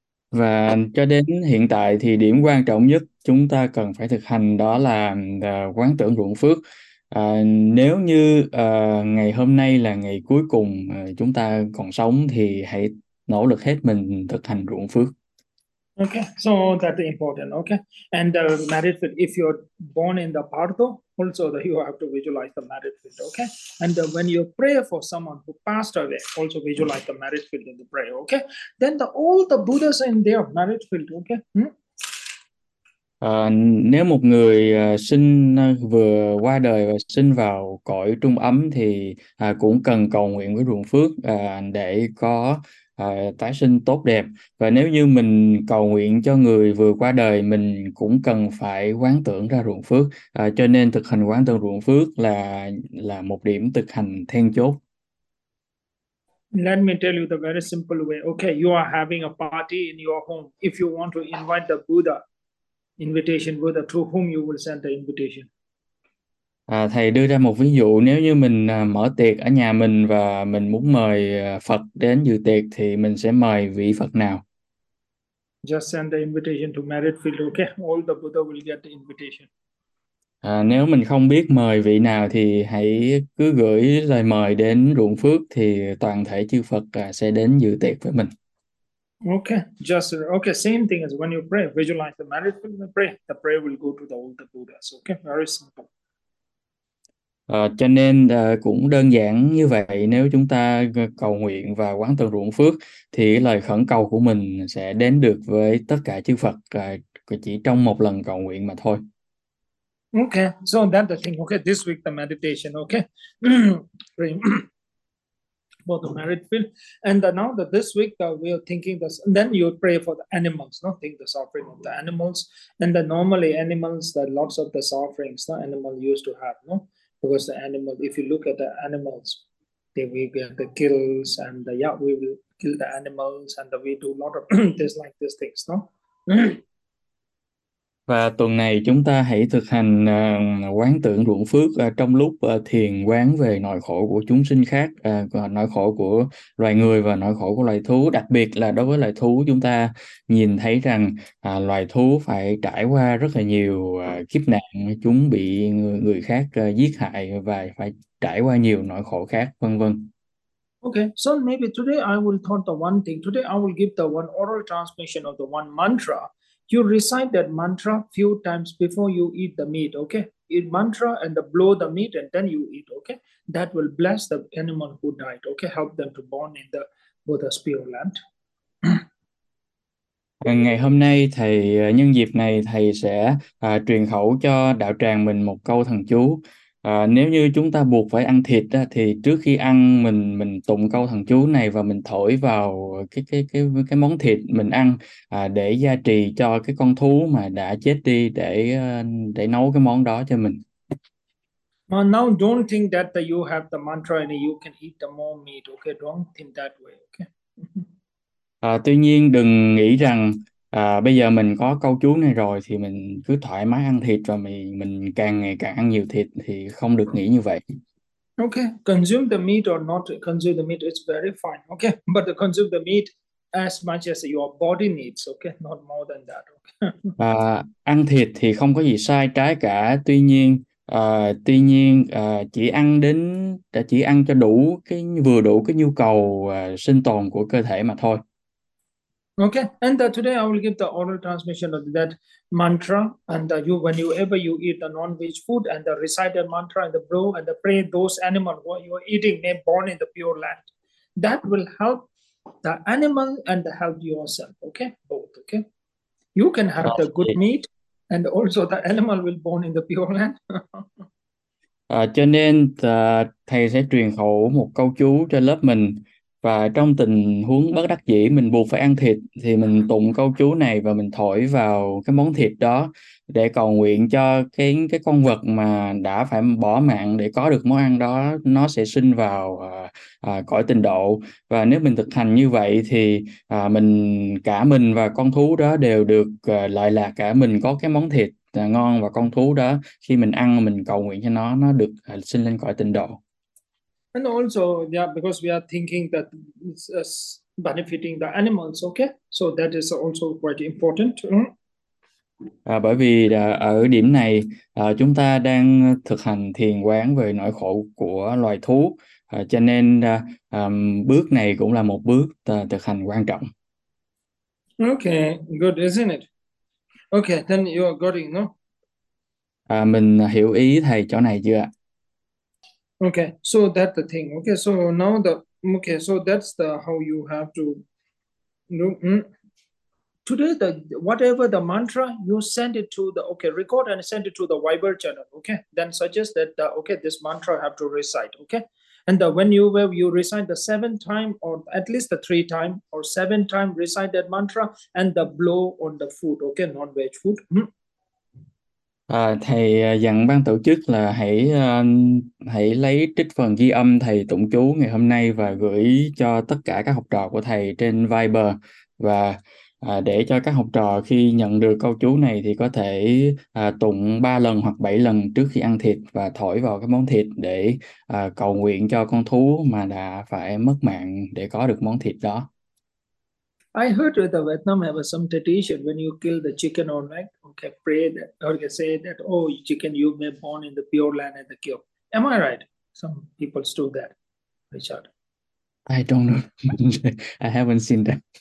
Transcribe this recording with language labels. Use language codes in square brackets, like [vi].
[vi] Và cho đến hiện tại thì điểm quan trọng nhất chúng ta cần phải thực hành đó là quán tưởng ruộng phước. Nếu như ngày hôm nay là ngày cuối cùng chúng ta còn sống thì hãy nỗ lực hết mình thực hành ruộng phước. [en] Okay, so that's important. Okay, and merit field. If you're born in the Bardo, also that you have to visualize the merit field. Okay, and when you pray for someone who passed away, also visualize the merit field in the prayer. Okay, then the all the Buddhas in their merit field. Okay. [vi] Nếu một người sinh vừa qua đời và sinh vào cõi trung ấm thì cũng cần cầu nguyện với ruộng phước để có tái sinh tốt đẹp. Và nếu như mình cầu nguyện cho người vừa qua đời, mình cũng cần phải quán tưởng ra ruộng phước. Cho nên thực hành quán tưởng ruộng phước là một điểm thực hành then chốt. [en] Let me tell you the very simple way. Okay, you are having a party in your home. If you want to invite the Buddha, invitation Buddha, through whom you will send the invitation. [vi] Thầy đưa ra một ví dụ, nếu như mình mở tiệc ở nhà mình và mình muốn mời Phật đến dự tiệc thì mình sẽ mời vị Phật nào? [en] Send the invitation to merit field. Okay, all the Buddha will get the invitation. [vi] Nếu mình không biết mời vị nào thì hãy cứ gửi lời mời đến ruộng phước thì toàn thể chư Phật sẽ đến dự tiệc với mình. [en] Okay, same thing as when you pray, visualize the merit field and pray, the prayer will go to the older Buddhas. Okay, very simple. [vi] Cho nên cũng đơn giản như vậy, nếu chúng ta cầu nguyện và quán tưởng ruộng phước thì lời khẩn cầu của mình sẽ đến được với tất cả chư Phật chỉ trong một lần cầu nguyện mà thôi. [en] Okay, so that's the thing. Okay, this week the meditation, okay. For the merit field, and now that this week we are thinking this, and then you pray for the animals, not think the suffering of the animals. And the normally animals, that lots of the sufferings the animal used to have, no, because the animal, if you look at the animals, they will get the kills, and yeah, we will kill the animals, and we do a lot of this like these things, no. [vi] Và tuần này chúng ta hãy thực hành quán tưởng ruộng phước trong lúc thiền quán về nỗi khổ của chúng sinh khác, nỗi khổ của loài người và nỗi khổ của loài thú. Đặc biệt là đối với loài thú, chúng ta nhìn thấy rằng loài thú phải trải qua rất là nhiều kiếp nạn, chúng bị người khác giết hại và phải trải qua nhiều nỗi khổ khác, vân vân. [en] Okay, so maybe today I will thought the one thing. Today I will give the one oral transmission of the one mantra. You recite that mantra few times before you eat the meat, okay? Eat mantra and the blow the meat and then you eat, okay? That will bless the animal who died, okay? Help them to born in the Buddha's pure land. [vi] Ngày hôm nay thầy nhân dịp này thầy sẽ truyền khẩu cho đạo tràng mình một câu thần chú. Nếu như chúng ta buộc phải ăn thịt thì trước khi ăn mình tụng câu thần chú này và mình thổi vào cái món thịt mình ăn để gia trì cho cái con thú mà đã chết đi để nấu cái món đó cho mình. [en] Now don't think that you have the mantra and you can eat the more meat, okay? Don't think that way, [vi] Tuy nhiên đừng nghĩ rằng bây giờ mình có câu chú này rồi thì mình cứ thoải mái ăn thịt và mình càng ngày càng ăn nhiều thịt thì không được nghĩ như vậy. [en] consume the meat or not consume the meat, it's very fine, okay? But consume the meat as much as your body needs, okay? Not more than that, okay? [vi] Ăn thịt thì không có gì sai trái cả, tuy nhiên chỉ ăn cho đủ vừa đủ cái nhu cầu sinh tồn của cơ thể mà thôi. [en] Okay, and today I will give the oral transmission of that mantra. And whenever you eat the non-veg food and the recite the mantra and the blow and the pray, those animals who you are eating may born in the pure land. That will help the animal and help yourself. Okay, both. Okay, you can have the good meat, and also the animal will born in the pure land. [vi] Cho nên thầy sẽ truyền khẩu một câu chú cho lớp mình, và trong tình huống bất đắc dĩ mình buộc phải ăn thịt thì mình tụng câu chú này và mình thổi vào cái món thịt đó để cầu nguyện cho cái con vật mà đã phải bỏ mạng để có được món ăn đó, nó sẽ sinh vào cõi tịnh độ. Và nếu mình thực hành như vậy thì cả mình và con thú đó đều được lợi lạc, cả mình có cái món thịt ngon và con thú đó khi mình ăn mình cầu nguyện cho nó được sinh lên cõi tịnh độ. [en] And also, yeah, because we are thinking that it's benefiting the animals, okay? So that is also quite important. [vi] Bởi vì ở điểm này chúng ta đang thực hành thiền quán về nỗi khổ của loài thú, cho nên bước này cũng là một bước thực hành quan trọng. [en] Okay, good, isn't it? Okay, then you are getting, no? [vi] Mình hiểu ý thầy chỗ này chưa ạ? [en] Okay, so that's the thing. Okay, so now the okay, so that's the how you have to do. Today the whatever the mantra, you send it to the okay, record and send it to the Viber channel. Okay, then suggest that okay, this mantra have to recite. Okay, And when you will you recite the seven time or at least the three time or seven time recite that mantra and the blow on the food, okay, non veg food. [vi] À, thầy dặn ban tổ chức là hãy lấy trích phần ghi âm thầy tụng chú ngày hôm nay và gửi cho tất cả các học trò của thầy trên Viber và để cho các học trò khi nhận được câu chú này thì có thể tụng 3 lần hoặc 7 lần trước khi ăn thịt và thổi vào cái món thịt để cầu nguyện cho con thú mà đã phải mất mạng để có được món thịt đó. [en] I heard that the Vietnam have some tradition when you kill the chicken or egg, okay, pray that or you say that, oh, chicken, you may born in the pure land at the kill. Am I right? Some people do that, Richard. I don't know. I haven't seen that.